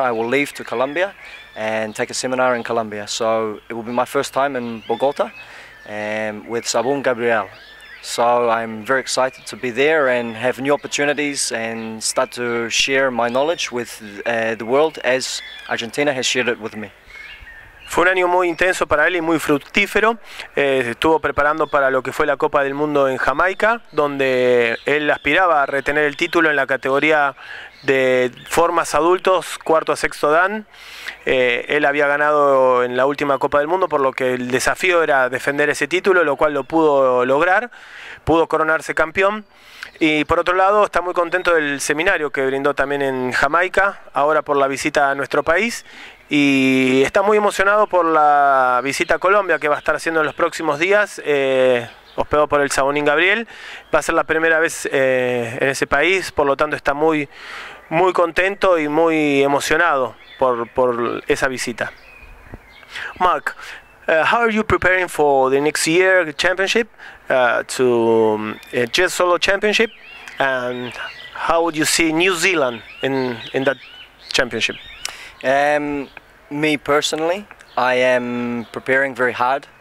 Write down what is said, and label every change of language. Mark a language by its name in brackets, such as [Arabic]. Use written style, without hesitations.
[English] I will leave to Colombia and take a seminar in Colombia. So it will be my first time in Bogota with Sabun Gabriel. So I'm very excited to be there and have new opportunities and start to share my knowledge with the world as Argentina has shared it with me. [Spanish] Fue un año muy intenso para él y muy fructífero. Estuvo preparando para lo que fue la Copa del Mundo en Jamaica, donde él aspiraba a retener el título en la categoría de formas adultos, 4º a 6º dan. Él había ganado en la última Copa del Mundo, por lo que el desafío era defender ese título, lo cual lo pudo lograr, pudo coronarse campeón. Y por otro lado, está muy contento del seminario que brindó también en Jamaica, ahora por la visita a nuestro país. Y está muy emocionado por la visita a Colombia que va a estar haciendo en los próximos días, hospedado por el Sabonín Gabriel. Va a ser la primera vez en ese país, por lo tanto está muy, muy contento y muy emocionado por esa visita. [English] Mark, how are you preparing for the next year championship, to just solo championship, and how would you see New Zealand in that championship? Me personally, I am preparing very hard.